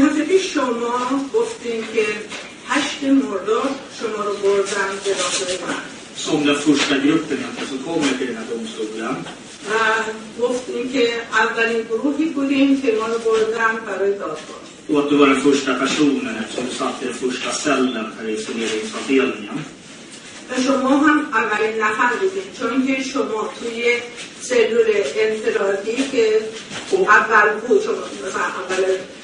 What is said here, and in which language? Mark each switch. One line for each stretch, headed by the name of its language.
Swedish: Jag har till
Persian: شما گفتین که 8 مرداد شما رو بردن به داخل من.
Swedish: Som den första gruppen att som kommer till den här domstolen.
Persian: گفتین که اولین گروهی بودیم که ما رو بردن برای دادگاه.
Swedish: Och att du var den första personen som satt i den första cellen här i isoleringsavdelningen.
Persian: شما هم اولین نفر بودید چون که شما توی سلول انفرادی که اول بود شما مثلا اول